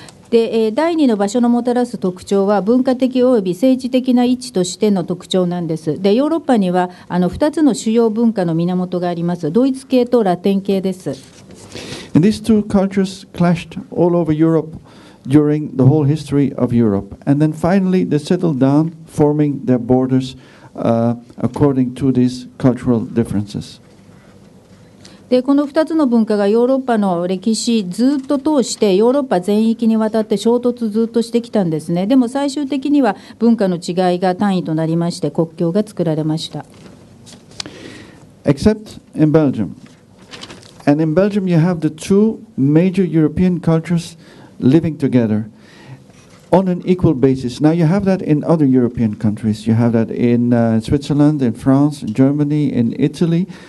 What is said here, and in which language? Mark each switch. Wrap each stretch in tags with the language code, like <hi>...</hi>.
<ja>で、第二の場所のもたらす特徴は文化的および政治的な位置としての特徴なんです。で、ヨーロッパには2つの主要文化の源があります。ドイツ系とラテン系です。</ja> <en>And these two cultures clashed all over Europe during the whole history of Europe. And then finally they settled down forming their borders according to these cultural differences.</en> <ja>で、この2つの文化がヨーロッパの歴史ずっと通してヨーロッパ全域にわたって衝突ずっとしてきたんですね。でも最終的には文化の違いが単位となりまして国境が作られました。</ja> <en>Except in Belgium. And in Belgium you have the two major European cultures living together. On an equal basis. Now you have that in other European countries. You have that in Switzerland, in France, in Germany, in Italy.</en>